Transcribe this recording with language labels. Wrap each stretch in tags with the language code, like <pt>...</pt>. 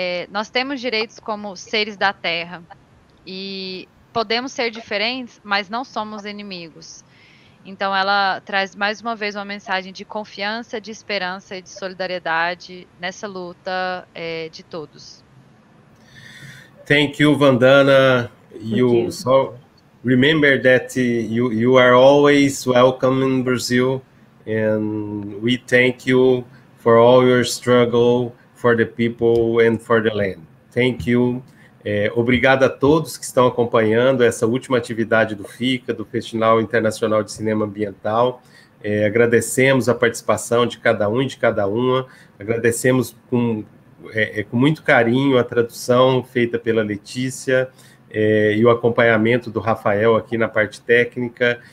<pt>Nós temos direitos como seres da Terra, e podemos ser diferentes, mas não somos inimigos. Então, ela traz mais uma vez uma mensagem de confiança, de esperança e de solidariedade nessa luta de todos.</pt> <en>Thank you, Vandana. You, so remember that you are always welcome in Brazil, and we thank you for all your struggle for the people and for the land. Thank you.</en> <pt>Obrigado a todos que estão acompanhando essa última atividade do FICA, do Festival Internacional de Cinema Ambiental. Agradecemos a participação de cada um e de cada uma. Agradecemos com muito carinho a tradução feita pela Letícia e o acompanhamento do Rafael aqui na parte técnica.</pt>